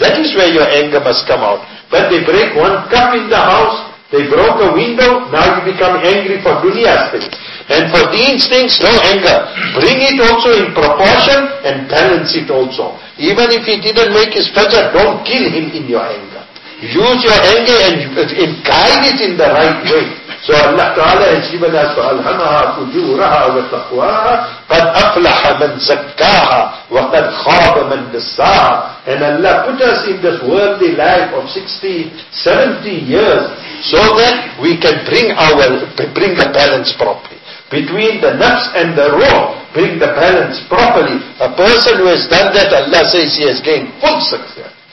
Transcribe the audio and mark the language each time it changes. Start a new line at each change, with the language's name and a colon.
English: That is where your anger must come out. When they break one cup in the house, they broke a window, now you become angry for dunya's things. And for deen's things, no anger. Bring it also in proportion and balance it also. Even if he didn't make his fajr, don't kill him in your anger. Use your anger and guide it in the right way. So Allah Ta'ala has given us
Arabic: فَأَلْهَمَهَا فُجُورَهَا وَتَقْوَاهَا قَدْ أَفْلَحَ مَنْ زَكَّاهَا وَقَدْ خَابَ مَنْ دَسَّاهَا.
English: And Allah put us in this worldly life of 60, 70 years so that we can bring the balance properly. Between the nafs and the ruh, bring the balance properly. A person who has done that, Allah says he has gained full success.